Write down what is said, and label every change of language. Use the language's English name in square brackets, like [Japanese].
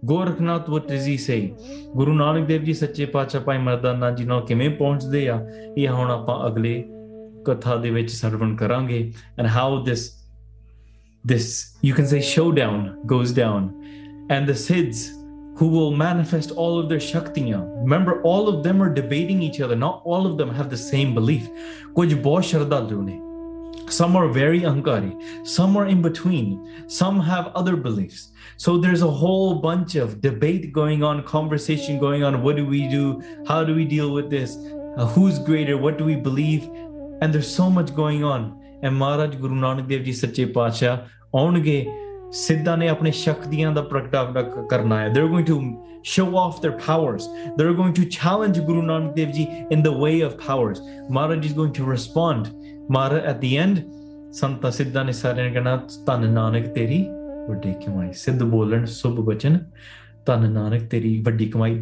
[Punjabi] Gorakhnath [English] What is he saying? [Punjabi] Guru Nanak Dev ji ਸੱਚੇ ਪਾਤਸ਼ਾਹ ਭਾਈ ਮਰਦਾਨਾ ਜੀ ਨਾਲ ਕਿਵੇਂ ਪਹੁੰਚਦੇ ਆ, ਇਹ ਹੁਣ ਆਪਾਂ ਅਗਲੇ ਕਥਾ ਦੇ ਵਿੱਚ ਸਰਵਣ ਕਰਾਂਗੇ. [English] And how this you can say showdown goes down, and the siddhas who will manifest all of their shaktiyan. Remember, all of them are debating each other. Not all of them have the same belief. [Punjabi] Kuch bahut shardalu ne, [English] some are very ahankari, some are in between, some have other beliefs. So there's a whole bunch of debate going on, conversation going on. What do we do? How do we deal with this? Who's greater? What do we believe? And there's so much going on. And Maharaj Guru Nanak Dev Ji Sache Paatshah aunge, [Punjabi] ਸਿੱਧਾਂ ਨੇ ਆਪਣੇ ਸ਼ਕਤੀਆਂ ਦਾ ਪ੍ਰਗਟਾਵਾ ਕਰਨਾ ਹੈ. [English] They going to show off their powers, they going to challenge Guru Nanak Dev ji in the way of powers. [Punjabi] Maharaj [English] Is going to respond. [Punjabi] Maharaj [English] at the end, [Punjabi] ਸੰਤਾਂ ਸਿੱਧਾਂ ਨੇ ਸਾਰਿਆਂ ਨੇ ਕਹਿਣਾ, ਧੰਨ ਨਾਨਕ ਤੇਰੀ ਵੱਡੀ ਕਮਾਈ. ਸਿੱਧ ਬੋਲਣ ਸੁਭ ਬਚਨ, ਧੰਨ ਨਾਨਕ ਤੇਰੀ ਵੱਡੀ ਕਮਾਈ.